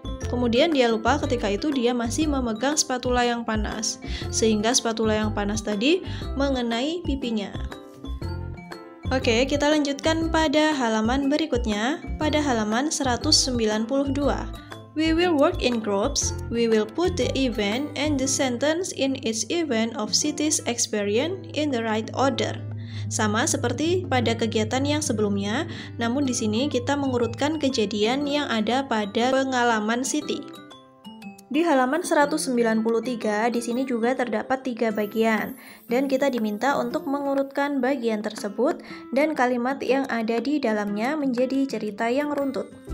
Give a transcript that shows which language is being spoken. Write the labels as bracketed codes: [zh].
[id] Kemudian dia lupa ketika itu dia masih memegang spatula yang panas, sehingga spatula yang panas tadi mengenai pipinya. Oke, kita lanjutkan pada halaman berikutnya, pada halaman 192. [en] We will work in groups. We will put the event and the sentence in each event of city's experience in the right order. [id] Sama seperti pada kegiatan yang sebelumnya, namun di sini kita mengurutkan kejadian yang ada pada pengalaman city. Di halaman 193, di sini juga terdapat 3 bagian, dan kita diminta untuk mengurutkan bagian tersebut dan kalimat yang ada di dalamnya menjadi cerita yang runtut.